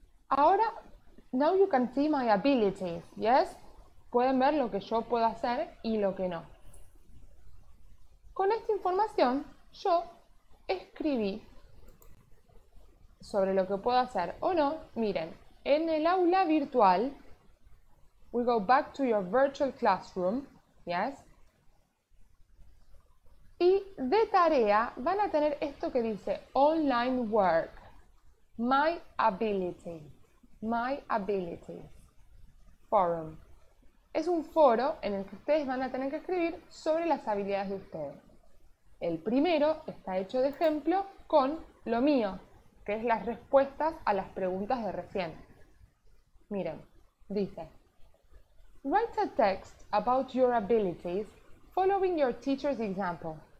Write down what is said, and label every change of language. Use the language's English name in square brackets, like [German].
[English] Ahora, now you can see my abilities, yes? [Spanish] Pueden ver lo que yo puedo hacer y lo que no. Con esta información, yo escribí sobre lo que puedo hacer o no. Miren, en el aula virtual, [English] we go back to your virtual classroom, yes? [Spanish] Y de tarea van a tener esto que dice online work, my ability. [English] My Ability Forum. [Spanish] Es un foro en el que ustedes van a tener que escribir sobre las habilidades de ustedes. El primero está hecho de ejemplo con lo mío, que es las respuestas a las preguntas de recién. Miren, dice: [English] Write a text about your abilities following your teacher's example.